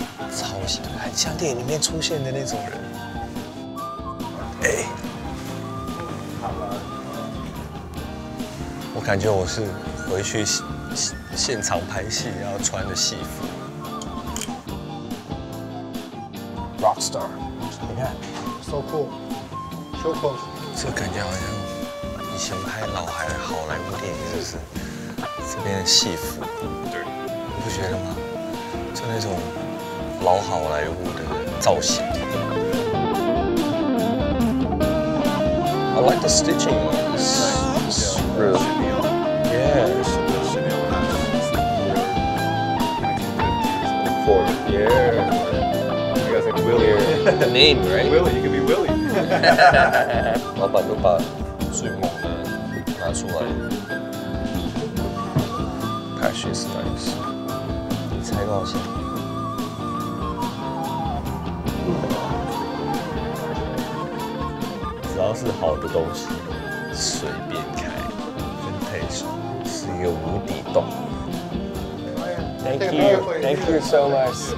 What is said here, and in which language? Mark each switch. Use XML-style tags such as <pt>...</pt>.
<zh>超像，很像电影里面出现的那种人。哎。感觉我是回去现场拍戏要穿的戏服。</zh> <en>Rockstar，</en> <zh>你看</zh> <en>，so cool， so cool。</en> <zh>这感觉好像以前拍老牌好莱坞电影，就是这边的戏服，对，你不觉得吗？就那种老好莱坞的造型。</zh> <en>I like the stitching. It's really good. Yeah. Ford. Yeah. I guess like Willie. The name, right? Willie. You could be Willie.</en> <zh>老板都把最猛的拿出来。</zh> <en>Passion is nice.</en> <zh>你猜多少钱？只要是好的东西，随便开。Vintage 是一个无底洞。</zh> <en>Thank you, thank you so much.</en>